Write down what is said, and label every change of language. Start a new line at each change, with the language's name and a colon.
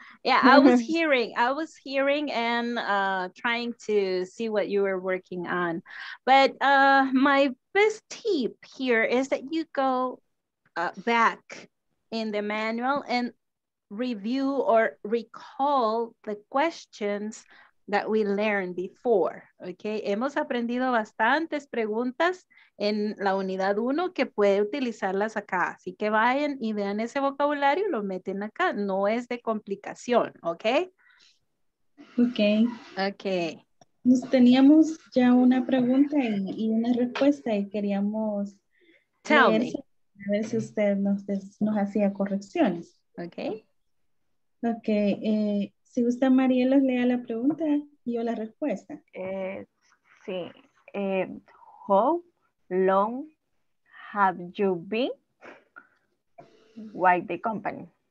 English: Yeah, I was hearing and trying to see what you were working on. But my best tip here is that you go back in the manual and review or recall the questions that we learned before, okay?
Spanish: Hemos aprendido bastantes preguntas en la unidad 1 que puede utilizarlas acá. Así que vayan y vean ese vocabulario, lo meten acá. No es de complicación, okay?
English: Okay. Okay.
Spanish: Nos teníamos ya una pregunta y una respuesta y queríamos
English: tell me.
Spanish: A ver si usted nos hacía correcciones.
English: Okay. Okay.
Spanish: Si gusta, Mariela, lea la pregunta y yo la respuesta. Sí.
English: How long have you been with the company?